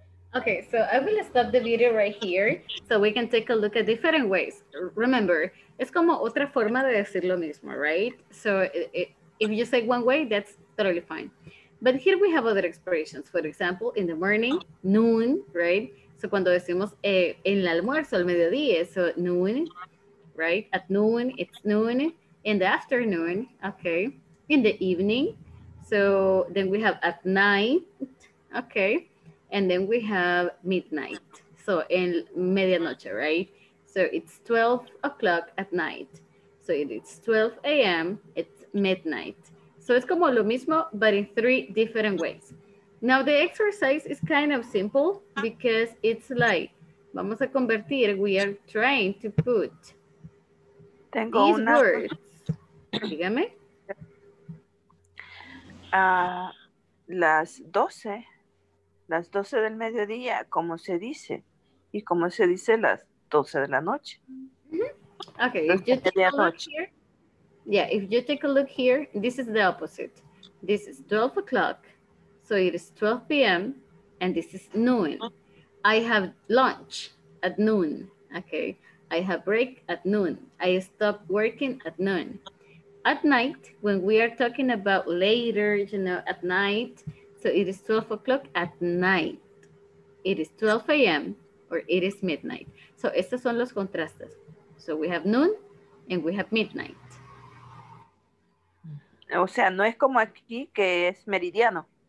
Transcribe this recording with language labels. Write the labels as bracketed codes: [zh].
[en] Okay, so I will stop the video right here so we can take a look at different ways. Remember, it's [es] como otra forma de decir lo mismo, right? [en] So if you say one way, that's totally fine. But here we have other expressions. For example, in the morning, noon, right? [es] So cuando decimos en el almuerzo, el mediodía, [en] so noon, [es] right? [en] At noon, it's noon. In the afternoon, okay. In the evening, so then we have at night, okay. And then we have midnight, so [es] en medianoche, [en] right? So it's 12 o'clock at night. So it's 12 a.m., it's midnight. So it's [es] como lo mismo, [en] but in three different ways. Now the exercise is kind of simple because it's like, [es] vamos a convertir, [en] we are trying to put [es] Tengo [en] these [es] una. [en] Words. [es] Dígame. Las 12 del mediodía, como se dice, y como se dice las 12 de la noche. Mm-hmm. [en] Okay, if you take a look here, yeah, if you take a look here, this is the opposite. This is 12 o'clock, so it is 12 p.m., and this is noon. I have lunch at noon, okay? I have break at noon. I stop working at noon. At night, when we are talking about later, you know, at night, so it is 12 o'clock at night. It is 12 a.m. or it is midnight. So [es] estos son los contrastes. [en] So we have noon and we have midnight. [es] O sea, no es como aquí que es meridiano.